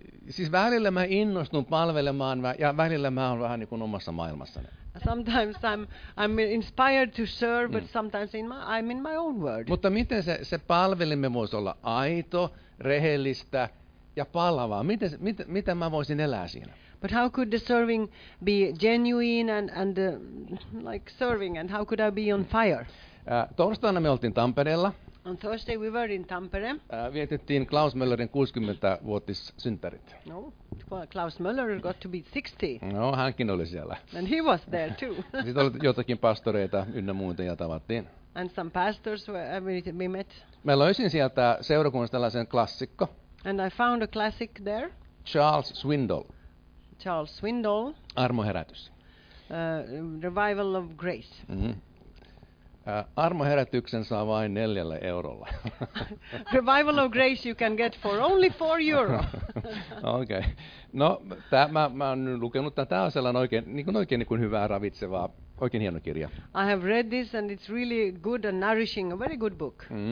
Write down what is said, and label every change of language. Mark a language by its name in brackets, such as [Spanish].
[Finnish] Siis välillä mä innostun palvelemaan ja välillä mä oon vähän niin kuin omassa maailmassani. [English] Sometimes I'm inspired to serve, but sometimes I'm in my own world. [Finnish] Mutta miten se palvelimme voisi olla aito, rehellistä ja palavaa? Mitä mä voisin elää siinä? [English] But how could the serving be genuine and like serving, and how could I be on fire? [Finnish] Torstaina me oltiin Tampereella. [English] On Thursday we were in Tampere. [Finnish] Vietettiin Klaus Möllerin 60-vuotis synttärit. [English] No, Klaus Möller got to be 60. [Finnish] No, hänkin oli siellä. [English] And he was there too. [Finnish] Sitten oli jotakin pastoreita ynnä muuta ja tavattiin. [English] And some pastors we met. [Finnish] Mä löysin sieltä seurakunnasta tällaisen klassikko. [English] And I found a classic there. Charles Swindoll. Charles Swindoll. [Finnish] Armoherätys. [English] Revival of Grace. [Finnish] Armoherätyksen saa vain 4 eurolla. [English] Revival of Grace you can get for only 4 euros. [Finnish] Okay. No, mä oon lukenut tätä. Tämä on sellainen oikein hyvää, ravitsevaa, oikein hieno kirja. [English] I have read this and it's really good and nourishing, a very good book.